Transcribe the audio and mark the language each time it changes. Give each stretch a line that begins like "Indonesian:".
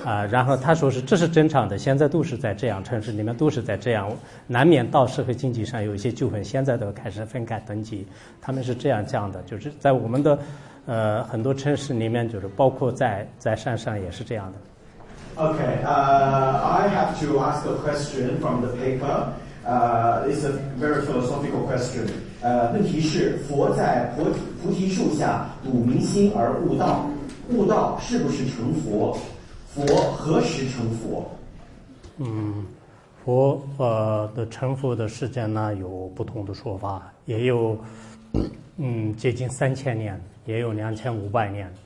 Chinese: 然后他说是这是正常的，现在都是在这样，城市里面都是在这样，难免到社会经济上有一些纠纷，现在都开始分开登记，他们是这样讲的。就是在我们的很多城市里面，就是包括在山上也是这样的。
English: OK, I have to ask a question from the paper. It's a very philosophical question.
Chinese: 问题是佛在菩提树下睹明心而悟道，悟道是不是成佛？佛何时成佛？佛的成佛的时间呢，有不同的说法，也有接近3000年，也有2500年。